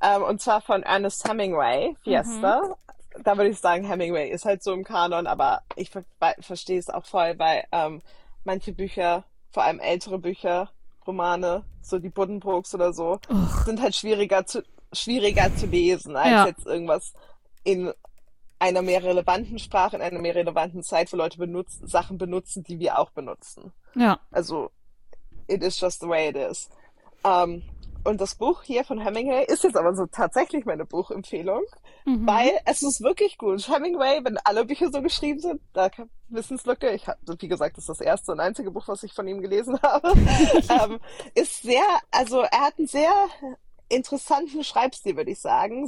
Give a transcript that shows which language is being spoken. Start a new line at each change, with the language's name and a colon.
German: Und zwar von Ernest Hemingway, Fiesta. Da würde ich sagen, Hemingway ist halt so im Kanon, aber ich verstehe es auch voll, weil manche Bücher, vor allem ältere Bücher, Romane, so die Buddenbrooks oder so, sind halt schwieriger zu lesen, als Ja. jetzt irgendwas in einer mehr relevanten Sprache, in einer mehr relevanten Zeit, wo Leute benutzen, Sachen benutzen, die wir auch benutzen. Ja.
English: Also, it is just the way it is.
German: Und das Buch hier von Hemingway ist jetzt aber so tatsächlich meine Buchempfehlung, weil es ist wirklich gut. Hemingway, wenn alle Bücher so geschrieben sind, da kann Wissenslücke. Ich habe, wie gesagt, das ist das erste und einzige Buch, was ich von ihm gelesen habe. Ist sehr, also er hat einen sehr interessanten Schreibstil, würde ich sagen.